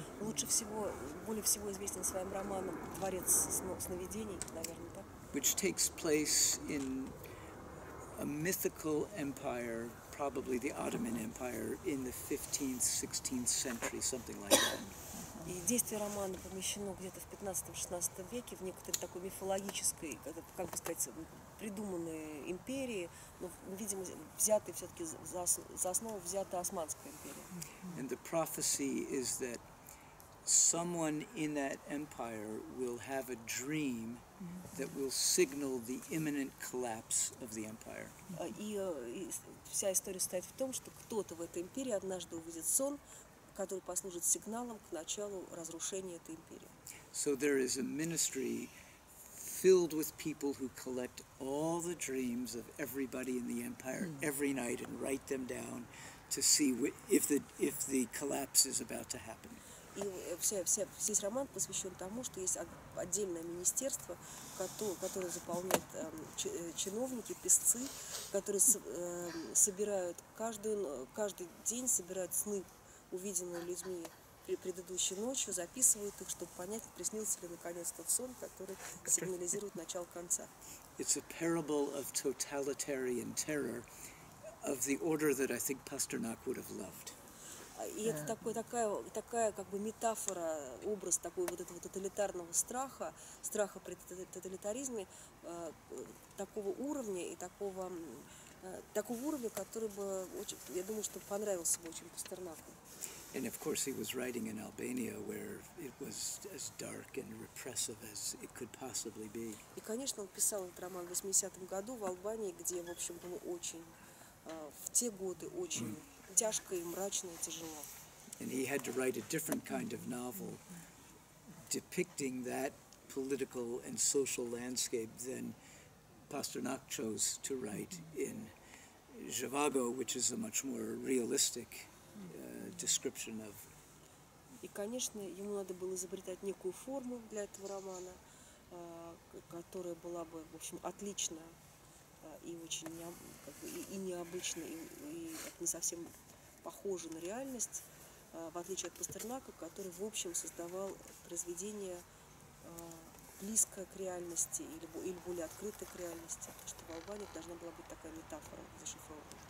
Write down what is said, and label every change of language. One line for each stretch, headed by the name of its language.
Russian: Лучше всего, более всего известен своим романом «Дворец сновидений», наверное, так.
English: Which takes place in a mythical empire, probably the Ottoman Empire, in the 15th, 16th century, something like that.
Russian: И действие романа помещено где-то в 15-16 веке в некоторой такой мифологической, как бы сказать, придуманной империи, но, видимо, взятой все-таки за основу взята Османская империя.
English: And the prophecy is that someone in that empire will have a dream that will signal the imminent collapse of the empire.
Russian: И вся история состоит в том, что кто-то в этой империи однажды увидит сон, который послужит сигналом к началу разрушения этой империи.
English: So there is a ministry filled with people who collect all the dreams of everybody in the empire every night and write them down to see if the collapse is about to happen.
Russian: И весь роман посвящен тому, что есть отдельное министерство, которое заполняют чиновники, писцы, которые собирают каждый день собирают сны, увиденные людьми предыдущей ночью, записывают их, чтобы понять, приснился ли наконец-то сон, который сигнализирует начало конца.
English: It's a parable of totalitarian terror of the order that I think Pasternak would have loved.
Russian: И это такая как бы метафора, образ такой вот этого тоталитарного страха, страха при тоталитаризме такого уровня и такого уровня, который бы очень, я думаю, что понравился бы очень Пастернаку.
English: And of course he was writing in Albania where it was as dark and repressive as it could possibly be.
Russian: И, конечно, он писал этот роман в 80-м году в Албании, где, в общем, было очень в те годы очень тяжко и мрачно, и тяжело.
English: And he had to write a different kind of novel depicting that political and social landscape than Pasternak chose to write in Zhivago, which is a much more realistic description of.
Russian: И, конечно, ему надо было изобретать некую форму для этого романа, которая была бы, в общем, отлична и очень необычна и не совсем похожа на реальность, в отличие от Пастернака, который, в общем, создавал произведение близкое к реальности или более открытое к реальности, потому что в Албании должна была быть такая метафора зашифрована.